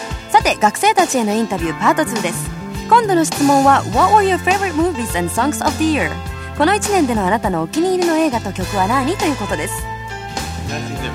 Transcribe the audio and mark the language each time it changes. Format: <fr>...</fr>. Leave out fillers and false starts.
<ja>さて、学生たちへのインタビューパート2です。今度の質問は</ja> <en>What were your favorite movies and songs of the year?</en> <ja>この1年でのあなたのお気に入りの映画と曲は何ということです。</ja>